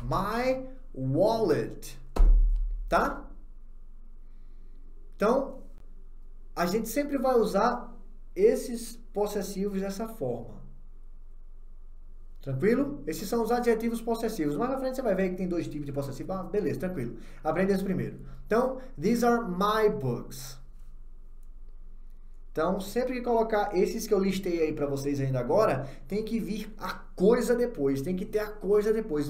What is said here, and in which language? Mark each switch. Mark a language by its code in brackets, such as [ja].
[en] My wallet. Tá? [pt] Então, a gente sempre vai usar esses possessivos dessa forma. Tranquilo? Esses são os adjetivos possessivos. Mais na frente você vai ver que tem dois tipos de possessivo. Ah, beleza, tranquilo. Aprenda esse primeiro. Então, [en] these are my books. [pt] Então, sempre que colocar esses que eu listei aí para vocês ainda agora, tem que vir a coisa depois. Tem que ter a coisa depois.